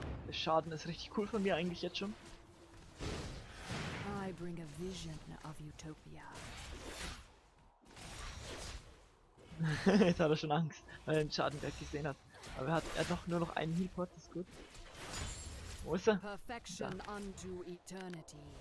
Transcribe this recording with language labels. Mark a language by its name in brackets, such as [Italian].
[German] Schaden ist richtig cool von mir eigentlich jetzt schon. [English] I bring a vision of Utopia. [German] Jetzt hat er schon Angst, weil er den Schaden direkt gesehen hat. Aber er hat doch nur noch einen Healpot, das ist gut. Wo ist er? [English] Perfection unto eternity.